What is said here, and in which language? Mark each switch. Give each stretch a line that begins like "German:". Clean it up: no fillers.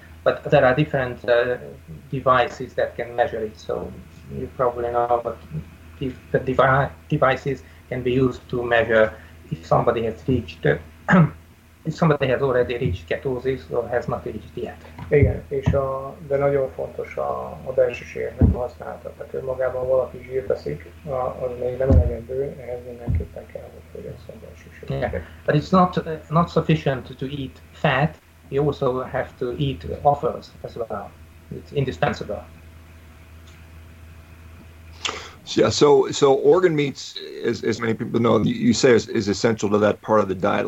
English: But there are different devices that can measure it. So you probably know, but the devices can be used to measure if somebody has already reached ketosis or has not reached yet.
Hungarian: Igen, és de nagyon fontos a belső zsírnak a használata. Tehát önmagában valaki zsírt eszik, az még nem elegendő, ehhez mindenképpen kell, hogy fogyasszon a belső zsírt. Yeah.
English: But it's not sufficient to eat fat, you also have to eat offals as well. It's indispensable. Yeah, so organ meats, as many people know, you say is essential to that part of the diet.